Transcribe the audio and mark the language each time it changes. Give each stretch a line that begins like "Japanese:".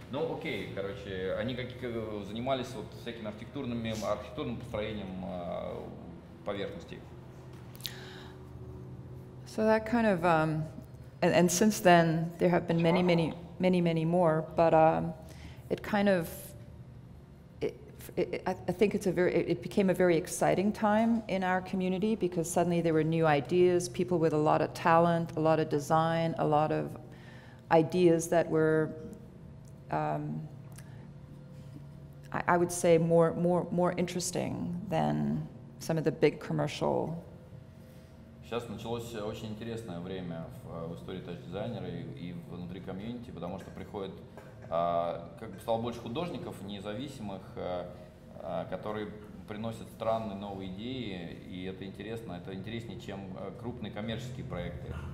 Russian: Ну, окей, короче, они занимались вот всякими архитектурным построением поверхностей.
English: So that kind of, and since then there have been many, many, many, many more, but it kind of, I think it became a very exciting time in our community because suddenly there were new ideas, people with a lot of talent, a lot of design, a lot of ideas that were, I would say, more interesting than some of the big commercial.
Russian: Сейчас началось очень интересное время в истории TouchDesigner и внутри комьюнити, потому что приходит, как бы стало больше художников независимых, которые приносят странные новые идеи, и это интересно, это интереснее, чем крупные коммерческие проекты.